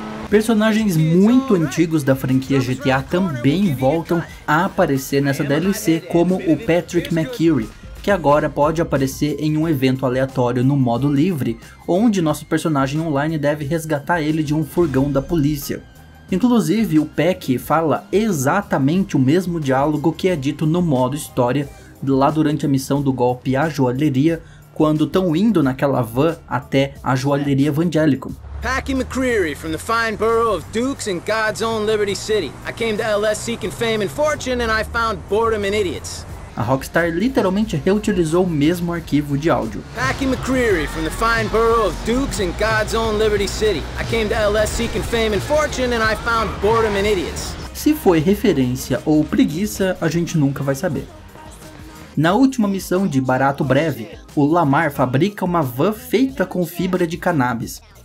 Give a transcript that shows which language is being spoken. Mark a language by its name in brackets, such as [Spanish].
[Portuguese] Personagens muito antigos da franquia GTA também voltam a aparecer nessa DLC, como o Patrick McCreary, que agora pode aparecer em um evento aleatório no modo livre, onde nosso personagem online deve resgatar ele de um furgão da polícia. Inclusive, o Peck fala exatamente o mesmo diálogo que é dito no modo história, lá durante a missão do golpe à joalheria, quando estão indo naquela van até a joalheria Evangelico. [English] Packy McCreary from the fine borough of Dukes in God's own Liberty City. I came to LS seeking fame and fortune and I found boredom and idiots. [Portuguese] A Rockstar literalmente reutilizou o mesmo arquivo de áudio. [English] Packy McCreary from the fine borough of Dukes in God's own Liberty City. I came to LS seeking fame and fortune and I found boredom and idiots. [Portuguese] Se foi referência ou preguiça, a gente nunca vai saber. Na última missão de Barato Breve, o Lamar fabrica uma van feita com fibra de cannabis.